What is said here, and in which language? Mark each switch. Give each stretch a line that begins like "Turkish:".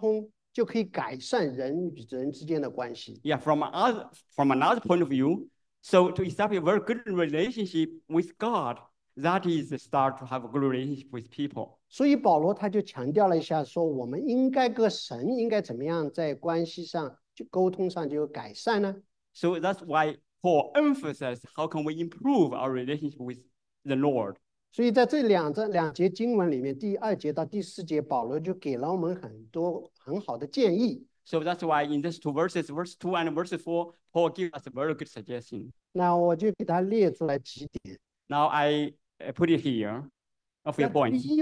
Chinese: 那从另外一个角度来讲，就是说用与神健全的一个交通，就可以改善人与人之间的关系。
English: Yeah, from another point of view, so to establish a very good relationship with God, that is the start to have a good relationship with people.
Chinese: 所以保罗他就强调了一下，说我们应该跟神应该怎么样在关系上就沟通上就有改善呢？
English: So that's why Paul emphasized how can we improve our relationship with the Lord.
Chinese: 所以在这两节经文里面，第二节到第四节，保罗就给了我们很多很好的建议。
English: So that's why in these two verses, verse 2 and verse 4, Paul gives us a very good suggestion.
Chinese: 那我就给他列出来几点。
English: Now I put it here, a few points.